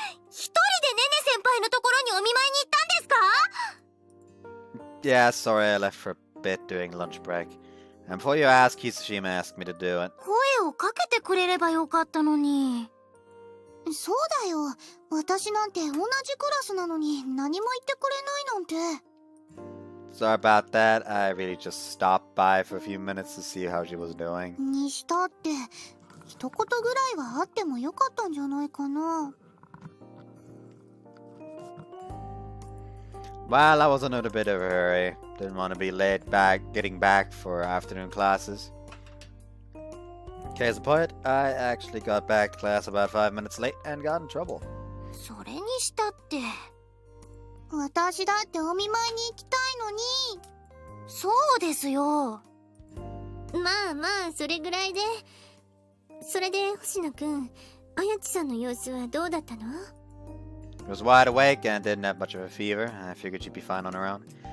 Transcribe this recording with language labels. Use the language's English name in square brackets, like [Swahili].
[Japanese] 一人でネネ先輩のところにお見舞いに行ったんですか? [English] Yeah, sorry, I left for a bit during lunch break. And before you ask, Kisushima asked me to do it. [Japanese] 声をかけてくれればよかったのに。そうだよ。私なんて同じクラスなのに何も言ってくれないなんて。 [English] Sorry about that. I really just stopped by for a few minutes to see how she was doing. [Japanese] にしたって、一言ぐらいはあってもよかったんじゃないかな。 [English] Well, I was in a bit of a hurry. Didn't want to be late back getting back for afternoon classes. Case in point, I actually got back to class about 5 minutes late and got in trouble. [Japanese] それにしたって私だってお見舞いに行きたいのに。そうですよ。まあまあそれぐらいで。それで星野くん、あやちさんの様子はどうだったの？ [English] She was wide awake and didn't have much of a fever. I figured she'd be fine on her own.